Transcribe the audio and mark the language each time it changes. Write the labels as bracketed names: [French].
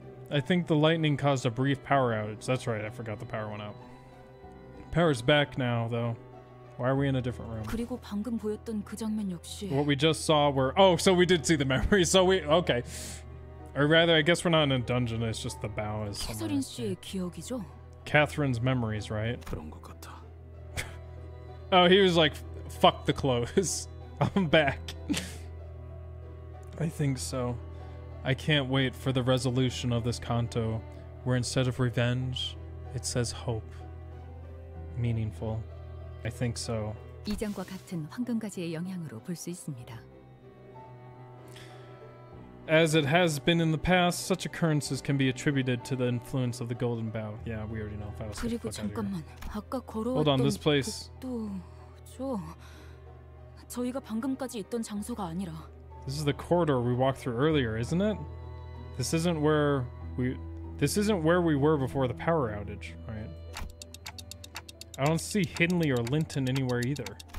[English] I think the lightning caused a brief power outage. That's right, I forgot the power went out. Power's back now, though. Why are we in a different room? [Korean] 그리고 방금 보였던 그 장면 역시. [English] What we just saw were... Oh, so we did see the memory, so we... Okay. Or rather, I guess we're not in a dungeon, it's just the bow is somewhere. Catherine's memories, right? Oh, he was like, fuck the clothes. I'm back. I think so. I can't wait for the resolution of this Canto, where instead of revenge, it says hope. Meaningful. I think so. [Korean] 이전과 같은 황금가지의 영향으로 볼 수 있습니다. [English] As it has been in the past, such occurrences can be attributed to the influence of the Golden Bough. Yeah, we already know if I was going to fuck out here. [Korean] 아까 걸어왔던 [English] Hold on, this place. [Korean] 저 저희가 방금까지 있던 장소가 아니라. [English] This is the corridor we walked through earlier, isn't it? This isn't where we were before the power outage, right? I don't see Hindley or Linton anywhere either.